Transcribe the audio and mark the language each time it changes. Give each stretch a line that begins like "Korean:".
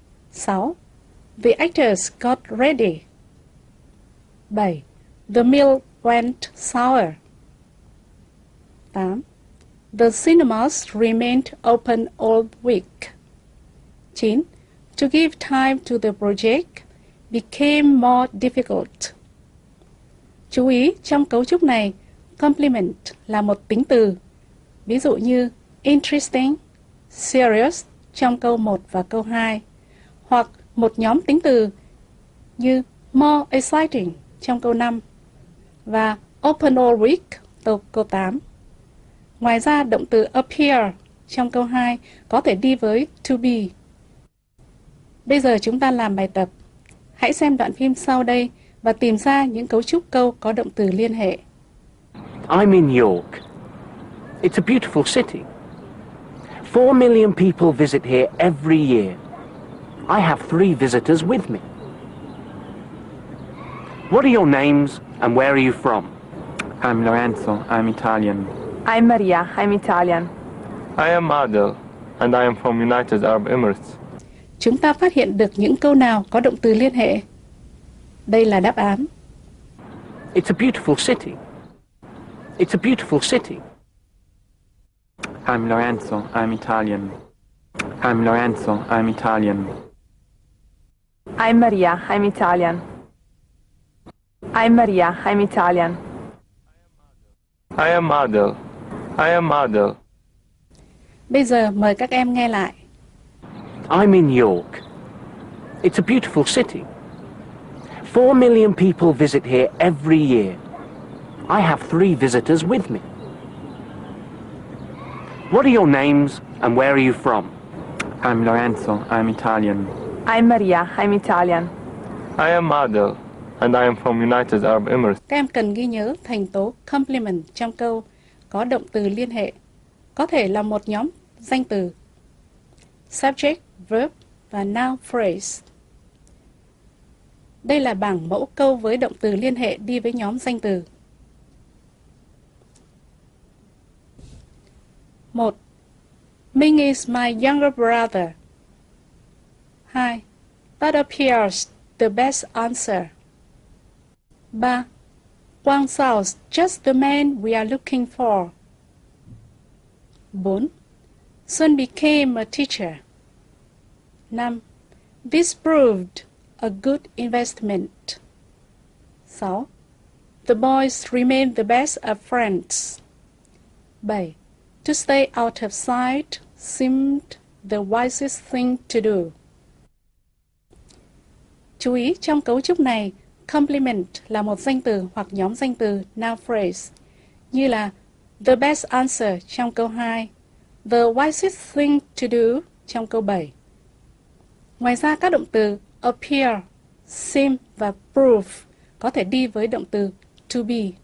English: 6. The actors got ready. 7. The meal went sour. 8. The cinemas remained open all week. 9. To give time to the project became more difficult.
Vietnamese: Chú ý, trong cấu trúc này, complement là một tính từ. Ví dụ như interesting, serious trong câu 1 và câu 2. Hoặc một nhóm tính từ như more exciting trong câu 5. Và open all week trong câu 8. Ngoài ra, động từ appear trong câu 2 có thể đi với to be. Bây giờ chúng ta làm bài tập. Hãy xem đoạn phim sau đây và tìm ra những cấu trúc câu có động từ liên hệ.
English: I'm in York. It's a beautiful city. 4 million people visit here every year. I have 3 visitors with me. What are your names and where are you from? I'm Lorenzo. I'm Italian. I'm Maria. I'm Italian. I am Adel and I am from United Arab Emirates.
Vietnamese: Chúng ta phát hiện được những câu nào có động từ liên hệ? Đây là đáp án.
English: It's a beautiful city. It's a beautiful city. I'm Lorenzo. I'm Italian. I'm Lorenzo. I'm Italian. I'm Maria. I'm Italian. I'm Maria. I'm Italian. I am Adel. I am Adel.
Vietnamese: Bây giờ mời các em nghe lại.
English: I'm in York. It's a beautiful city. 4 million people visit here every year. I have 3 visitors with me. What are your names and where are you from? I'm Lorenzo. I'm Italian. I'm Maria. I'm Italian. I am Adel and I am from United Arab Emirates.
Vietnamese: Các em cần ghi nhớ thành tố complement trong câu có động từ liên hệ. Có thể là một nhóm danh từ. Subject, verb và noun phrase. Đây là bảng mẫu câu với động từ liên hệ đi với nhóm danh từ. 1.
English: Ming is my younger brother. 2. That appears the best answer. 3. Quang sounds just the man we are looking for. 4. Sun became a teacher. 5. This proved a good investment. 6. The boys remain the best of friends. 7. To stay out of sight seemed the wisest thing to do.
Vietnamese: Chú ý, trong cấu trúc này, complement là một danh từ hoặc nhóm danh từ noun phrase, như là the best answer trong câu 2, the wisest thing to do trong câu 7. Ngoài ra, các động từ appear, seem và prove có thể đi với động từ to be.